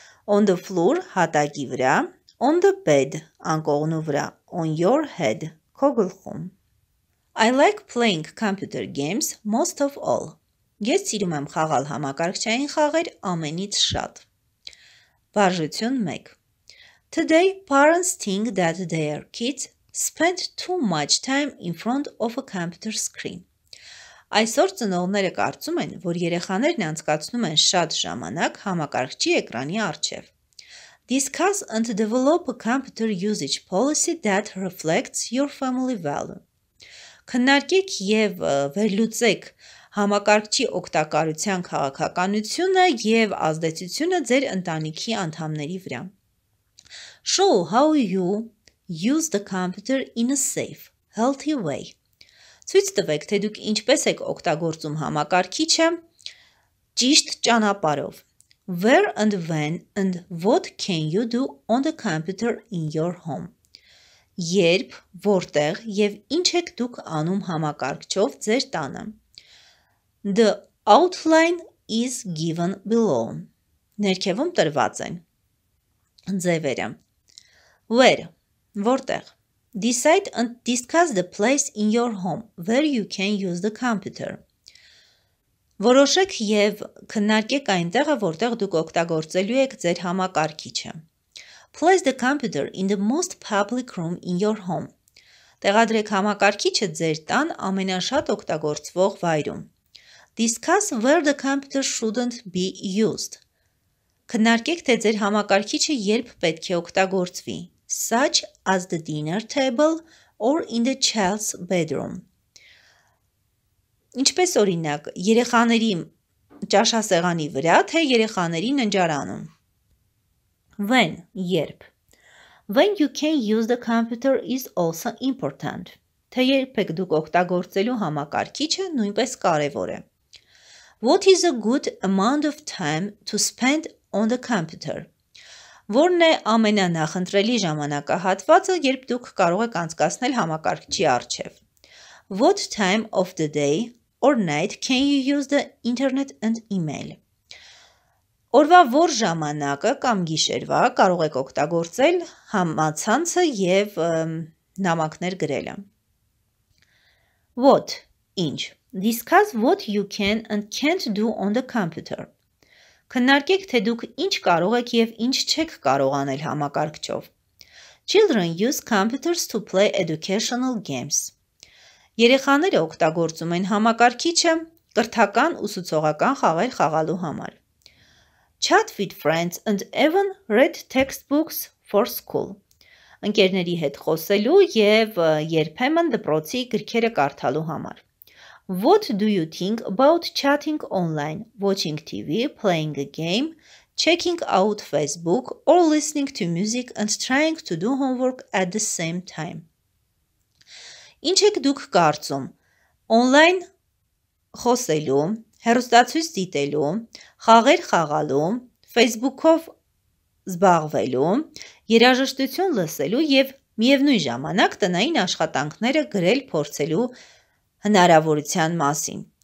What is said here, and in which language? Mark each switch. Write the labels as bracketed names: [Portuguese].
[English] On the floor, [Armenian] հատակի վրա, [English] on the bed, [Armenian] անկողնու վրա, [English] on your head, [Armenian] քո գլխում. [English] I like playing computer games most of all. [Armenian] Ես սիրում եմ խաղալ համակարգչային խաղեր ամենից շատ. Վարժություն 1. [English] Today, parents think that their kids spend too much time in front of a computer screen. [Armenian] Այսօր ծնողները կարծում են, որ երեխաներն անցկացնում են շատ ժամանակ համակարգչի էկրանի առջև. [English] Discuss and develop a computer usage policy that reflects your family value. [Armenian] Քննարկեք եւ վերլուծեք համակարգչի օգտակարության քաղաքականությունը եւ ազդեցությունը ձեր ընտանիքի անդամների վրա. [English] Show how you use the computer in a safe, healthy way. [Armenian] Ցույց տվեք, թե դուք ինչպես եք օգտագործում համակարգիչը ճիշտ ճանապարով. [English] Where and when and what can you do on the computer in your home? [Armenian] Երբ, որտեղ եւ ինչ եք դուք անում համակարգչով ձեր տանը? [English] The outline is given below. [Armenian] Ներքևում տրված են ձևերը. [English] Where? [Armenian] Որտեղ? [English] Decide and discuss the place in your home where you can use the computer. [Armenian] Որոշեք եւ քննարկեք այնտեղը, որտեղ դուք օգտագործելու եք ձեր համակարգիչը. [English] Place the computer in the most public room in your home. [Armenian] Տեղադրեք համակարգիչը ձեր տան ամենաշատ օգտագործվող վայրում. [English] Discuss where the computer shouldn't be used. [Armenian] Քննարկեք, թե ձեր համակարգիչը երբ պետք է օգտագործվի. [English] Such as the dinner table or in the child's bedroom. [Armenian] Ինչպես օրինակ, երեխաների ճաշասեղանի վրա, թե երեխաների ննջարանում. [English] When, [Armenian] երբ. [English] When you can use the computer is also important. [Armenian] Թե երբ եք դուք օգտագործելու համակարգիչը, նույնպես կարևոր է. [English] What is a good amount of time to spend on the computer? [Armenian] Որն է ամենանախընտրելի ժամանակահատվածը, երբ դուք կարող եք անցկացնել համակարգչի առջև. [English] What time of the day or night can you use the internet and email? [Armenian] Օրվա որ ժամանակը կամ գիշերվա կարող եք օգտագործել համացանցը եւ նամակներ գրելը. [English] What? [Armenian] Ինչ? [English] Discuss what you can and can't do on the computer. [Armenian] Քննարկեք, թե դուք ինչ կարող եք եւ ինչ չեք կարող անել համակարգչով. [English] Children use computers to play educational games. [Armenian] Երեխաները օգտագործում են համակարգիչը կրթական ուսուցողական խաղեր խաղալու համար. [English] Chat with friends and even read textbooks for school. [Armenian] Ընկերների հետ խոսելու եւ երբեմն դպրոցի գրքերը կարդալու համար. [English] What do you think about chatting online, watching TV, playing a game, checking out Facebook or listening to music and trying to do homework at the same time? [Armenian] Ինչ եք դուք կարծում? Online խոսելու, հեռուստացույց դիտելու, խաղեր խաղալու, Facebook-ով զբաղվելու, երաժշտություն լսելու եւ միևնույն ժամանակ տնային աշխատանքները գրել փորձելու հնարավորության մասին.